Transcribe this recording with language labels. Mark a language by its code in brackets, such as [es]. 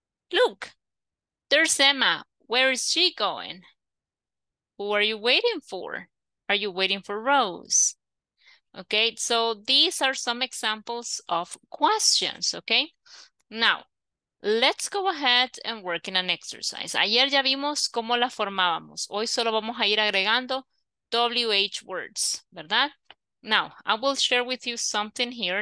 [en] Look, there's Emma. Where is she going? Who are you waiting for? Are you waiting for Rose? Okay, so these are some examples of questions, okay? Now, let's go ahead and work in an exercise. [es] Ayer ya vimos cómo la formábamos. Hoy solo vamos a ir agregando WH words, ¿verdad? [en] Now, I will share with you something here.